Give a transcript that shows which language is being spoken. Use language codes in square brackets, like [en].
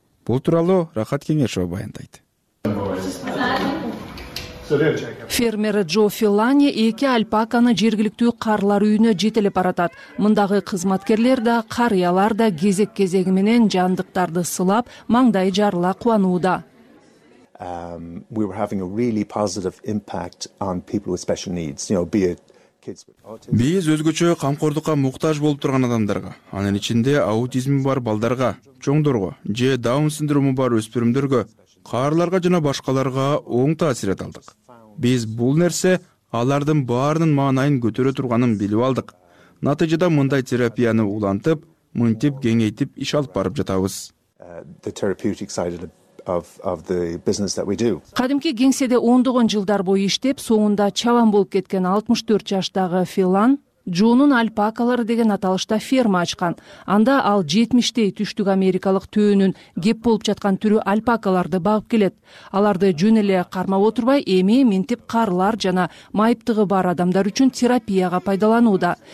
[ky] Бул тууралуу Рахат Кеңешова баяндайт. Фермер Джо Филани 2 альпаканы жергиликтүү карылар үйүнө жетелеп баратат. Мындагы кызматкерлер да, карыялар да кезек-кезеги менен жандыктарды сылап, маңдай жарыла кубанууда. [en] We were having a really positive impact on people with special needs, you know, be it kids with autism. [ky] Биз өзгөчө камкордукка муктаж болуп турган адамдарга, анын ичинде аутизми бар балдарга, чоңдорго же даун синдрому бар өспүрүмдөргө, карыларга жана башкаларга оң таасир эт алдык. Биз бул нерсе алардын баарынын маанайын көтөрө турганын билип алдык. Натыйжада мындай терапияны улантып, мынтип кеңейтип иш алып барып жатабыз. [en] The therapeutic side of the business that we do. [ky] Кадимки кеңседе ондогон жылдар бою иштеп, соңунда чалан болуп кеткен 64 жаштагы Филан Джонун альпакалары деген аталышта ферма ачкан. Анда ал 70 түштүк Америкалык төөнүн кеп болуп жаткан түрү альпакаларды багып келет. Аларды жөн эле кармап отурбай, эми минтип карылар жана майыптыгы бар адамдар үчүн терапияга пайдаланууда.